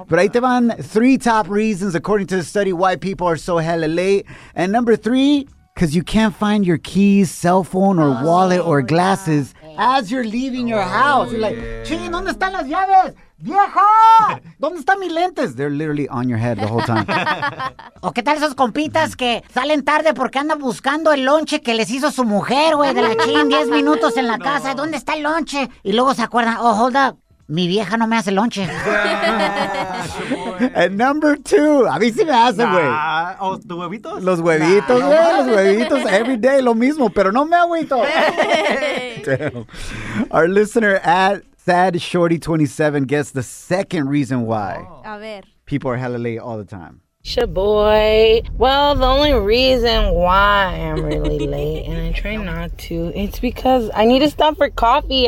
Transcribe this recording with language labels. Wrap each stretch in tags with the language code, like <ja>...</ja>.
<en>But</en> <es>ahí te van</es> <en>three top reasons, according to the study, why people are so hella late. And number three, because you can't find your keys, cell phone, or wallet, or glasses as you're leaving your house. You're like,</en> <es>chin, ¿dónde están las llaves? ¡Vieja! ¿Dónde están mis lentes?</es> <en>They're literally on your head the whole time.</en> <es>¿O qué tal esos compitas que salen tarde porque andan buscando el lonche que les hizo su mujer, güey, de la chin, 10 minutos en la casa? No. ¿Dónde está el lonche? Y luego se acuerdan,</es> <en>oh, hold up,</en> <es>mi vieja no me hace lonche.</es> <en>And number two,</en> <es>a mí sí me hacen, güey. Nah. ¿Tus huevitos? Los huevitos, güey, los huevitos,</es> <en>every day,</en> <es>lo mismo, pero no me agüito.</es> <en>Hey. Our listener at Sad Shorty 27 gets the second reason why people are hella late all the time. Shaboy. Well, the only reason why I'm really late, and I try not to, it's because I need to stop for coffee.</en>